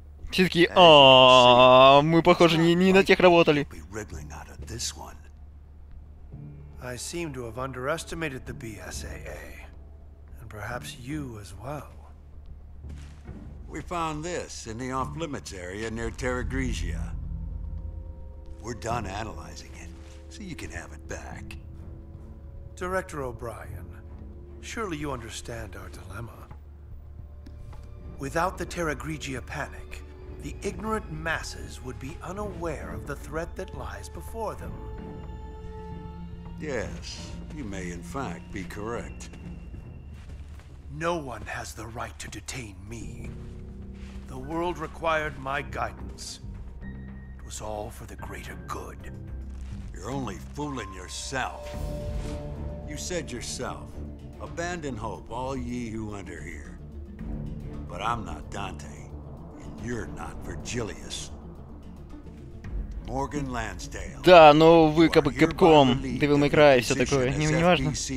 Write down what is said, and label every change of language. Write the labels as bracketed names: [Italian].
[Russian] Все такие, ааа, мы, похоже, не на тех работали. [English] I seem to have underestimated the BSAA, and perhaps you as well. We found this in the off-limits area near Terra Grigia. We're done analyzing it, so you can have it back. Director O'Brien, surely you understand our dilemma. Without the Terra Grigia panic, the ignorant masses would be unaware of the threat that lies before them. Yes, you may in fact be correct. No one has the right to detain me. The world required my guidance. It was all for the greater good. You're only fooling yourself. You said yourself, abandon hope, all ye who enter here. But I'm not Dante, and you're not Virgilius. Morgan Lansdale. [Russian] Да, но вы как бы Capcom, Devil May Cry, все такое, не важно.